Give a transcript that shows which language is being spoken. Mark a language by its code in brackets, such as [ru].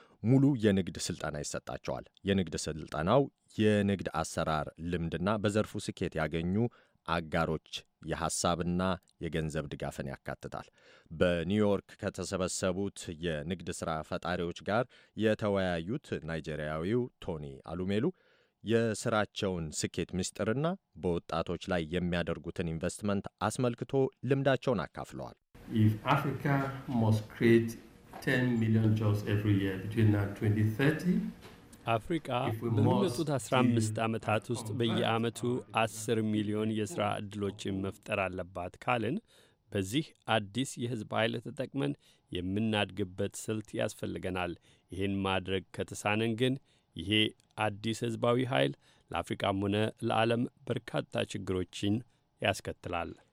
[am] ሙሉ የንግድ ስልጠና ይሰጣቸዋል። የንግድ ስልጠናው የንግድ አሰራር ልምድና በዘርፉ ስኬት ያገኙ አጋሮች የሐሳብና የገንዘብ ድጋፍን ያካትታል። በኒውዮርክ ከተሰበሰቡት የንግድ ሥራ ፈጣሪዎች ጋር የተወያዩት ናይጄሪያዊው ቶኒ አሉሜሉ የሥራቸውን ስኬት ምስጢርና በወጣቶች ላይ የሚያደርጉትን ኢንቨስትመንት አስመልክቶ ልምዳቸውን አካፍለዋል። [en] If Africa must create 10 million jobs every year between now and 2030, [am] አፍሪካ በሚመጡት 15 ዓመታት ውስጥ በየዓመቱ 10 ሚሊዮን የሥራ ዕድሎችን መፍጠር አለባት ካልን በዚህ አዲስ የሕዝብ ኃይል ተጠቅመን የምናድግበት ስልት ያስፈልገናል። ይህን ማድረግ ከተሳነን ግን ይሄ አዲስ ሕዝባዊ ኃይል ለአፍሪካም ሆነ ለዓለም በርካታ ችግሮችን ያስከትላል።